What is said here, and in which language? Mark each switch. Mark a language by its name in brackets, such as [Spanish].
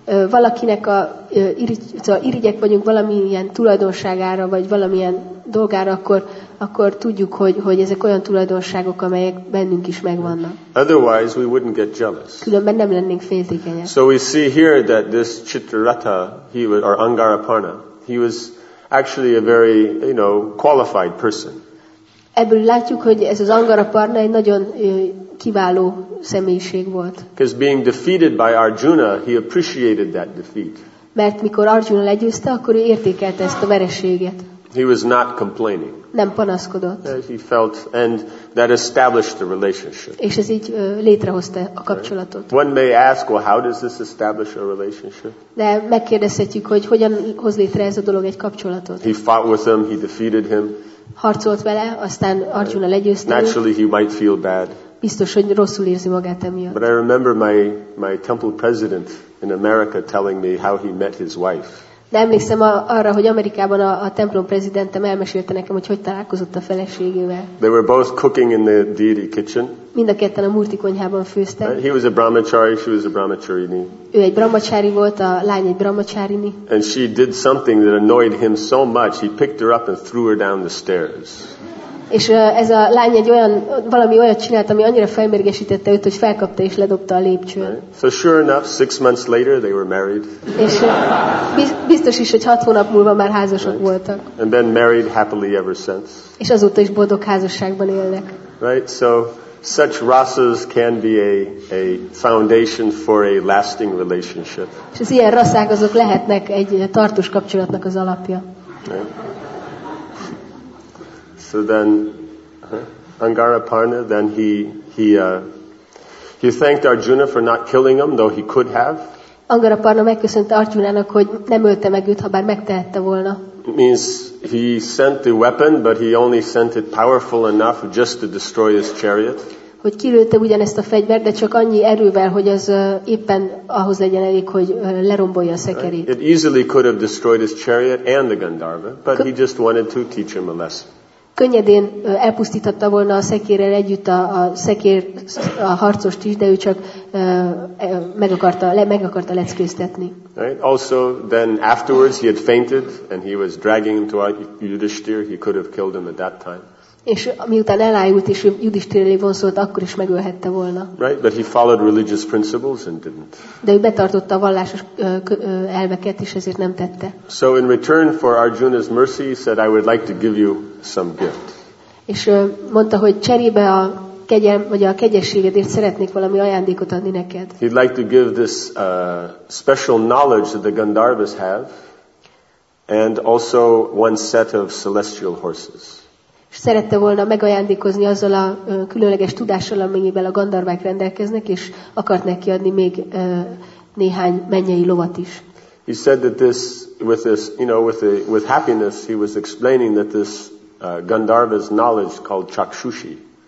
[Hungarian] Valakinek a irigyek vagyunk valamilyen tulajdonságára vagy valamilyen dolgára, akkor tudjuk, hogy ezek olyan tulajdonságok, amelyek bennünk is megvannak. [English] Otherwise we wouldn't get jealous. [Hungarian] Különben nem lennénk féltékenyek. [English] So we see here that this Chitrata, he was, or Angaraparna, he was actually a very, you know, qualified person. [Hungarian] Ebből látjuk, hogy ez az Angaraparna egy nagyon kiváló személyiség volt. [English] Because being defeated by Arjuna, he appreciated that defeat. [Hungarian] Mert mikor Arjuna legyőzte, akkor ő értékelte ezt a vereséget. [English] He was not complaining. [Hungarian] Nem panaszkodott. [English] He felt, and that established the relationship. [Hungarian] És ez így létrehozta a kapcsolatot. [English] Right. One may ask, well, how does this establish a relationship? [Hungarian] De megkérdezhetjük, hogy hogyan hoz létre ez a dolog egy kapcsolatot. [English] He fought with him, he defeated him. [Hungarian] Harcolt vele, aztán Arjuna legyőzte. [English] Naturally, he might feel bad. [Hungarian] Biztos, hogy rosszul érzi magát emiatt. [English] But I remember my temple president in America telling me how he met his wife. [Hungarian] De emlékszem arra, hogy Amerikában a templom prezidentem elmesélte nekem, hogy találkozott a feleségével. [English] They were both cooking in the deity kitchen. [Hungarian] Mind a ketten a Murti konyhában főztek. [English] He was a brahmachari, she was a brahmacharini. [Hungarian] Ő egy brahmachari volt, a lány egy brahmacharini. [English] And she did something that annoyed him so much, he picked her up and threw her down the stairs. [Hungarian] És ez a lány egy olyan, valami olyat csinált, ami annyira felmérgesítette őt, hogy felkapta és ledobta a lépcsőn. [English] Right. So sure enough, 6 months later they were married. [Hungarian] És biztos is, hogy 6 hónap múlva már házasok right. voltak. [English] And then married happily ever since. [Hungarian] És azóta is boldog házasságban élnek. [English] Right, so such rasas can be a foundation for a lasting relationship. [Hungarian] És az ilyen raszák azok lehetnek egy tartós kapcsolatnak az alapja. [English] Right. So then Angaraparna, then he thanked Arjuna for not killing him, though he could have. [Hungarian] Angaraparna megköszönte Arjunának, hogy nem ölte meg őt, ha bár megtehette volna. [English] Means he sent the weapon, but he only sent it powerful enough just to destroy his chariot. [Hungarian] Hogy kilőtte ugyanezt a fegyvert, de csak annyi erővel, hogy az éppen ahhoz legyen elég, hogy lerombolja a szekerét. [English] It easily could have destroyed his chariot and the Gandharva, but he just wanted to teach him a lesson. [Hungarian] Könnyedén elpusztította volna a szekérrel együtt a szekér a harcost is, de ő csak meg akarta leckésztetni. [English] Right. Also, then afterwards he had fainted and he was dragging him to Yudhishthir. He could have killed him at that time. [Hungarian] És miután elájult és Judistiréli vonszolt, akkor is megölhette volna. [English] Right, but he followed religious principles and didn't. [Hungarian] De ő betartotta a vallásos elveket, és ezért nem tette. [English] So in return for Arjuna's mercy, he said, I would like to give you some gift. [Hungarian] És mondta, hogy cserébe a kegyelm, vagy a kegyességedért szeretnék valami ajándékot adni neked. [English] He'd like to give this special knowledge that the Gandharvas have, and also one set of celestial horses. [Hungarian] És szerette volna megajándékozni azzal a különleges tudással, amennyiben a gandarvák rendelkeznek, és akart neki adni még néhány mennyei lovat is. [English] He said that this, with this, you know, with happiness, he was explaining that this Gandharva's knowledge called Chakshushi.